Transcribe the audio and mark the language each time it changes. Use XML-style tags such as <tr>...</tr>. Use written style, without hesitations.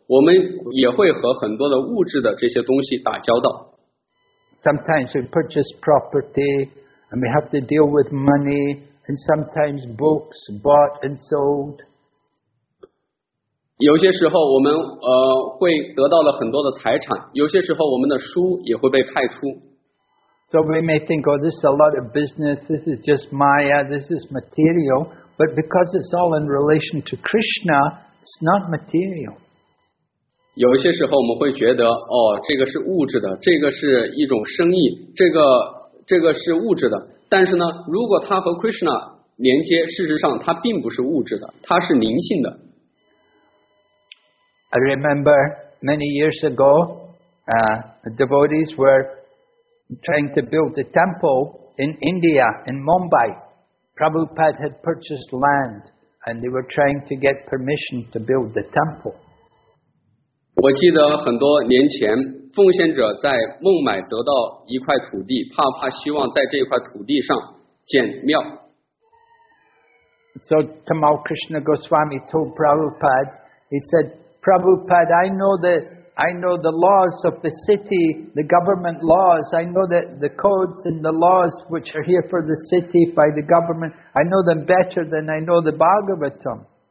<zh>我们也会和很多的物质的这些东西打交道。</zh> <en>Sometimes we purchase property, and we have to deal with money, and sometimes books bought and sold.</en> <zh>有些时候我们会得到了很多的财产，有些时候我们的书也会被派出。</zh> <en>So we may think, oh, this is a lot of business, this is just maya, this is material, but because it's all in relation to Krishna, it's not material.</en> <zh>有些时候我们会觉得，哦，这个是物质的，这个是一种生意，这个是物质的。但是呢，如果它和 Krishna 连接，事实上它并不是物质的，它是灵性的。</zh> <en>I remember many years ago, the devotees were trying to build a temple in India, in Mumbai. Prabhupada had purchased land, and they were trying to get permission to build the temple.</en> <zh>我记得很多年前，奉献者在孟买得到一块土地，帕帕希望在这块土地上建庙。</zh> <en>So Tamal Krishna Goswami told Prabhupada, he said,Prabhupada, I know the laws of the city, the government laws. I know that the codes and the laws which are here for the city by the government, I know them better than I know the Bhagavatam.</en>